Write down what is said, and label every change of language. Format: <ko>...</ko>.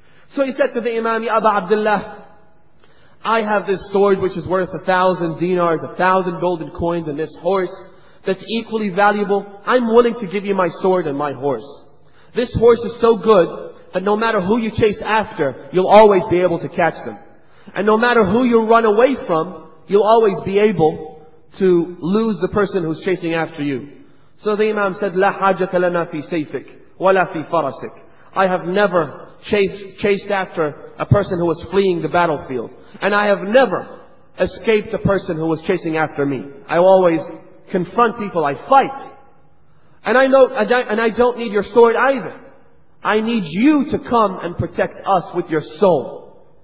<en>So he said to the Imam, Ya Aba Abdullah, I have this sword which is worth 1,000 dinars, 1,000 golden coins, and this horse that's equally valuable. I'm willing to give you my sword and my horse. This horse is so good that no matter who you chase after, you'll always be able to catch them. And no matter who you run away from, you'll always be able to lose the person who's chasing after you.</en> <ar>So the Imam said, لَا حَاجَةَ لَنَا فِي سَيْفِكْ وَلَا فِي فَرَسِكْ.</ar> <en>I have never chased after a person who was fleeing the battlefield. And I have never escaped a person who was chasing after me. I always confront people, I fight. And I don't need your sword either. I need you to come and protect us with your soul.</en>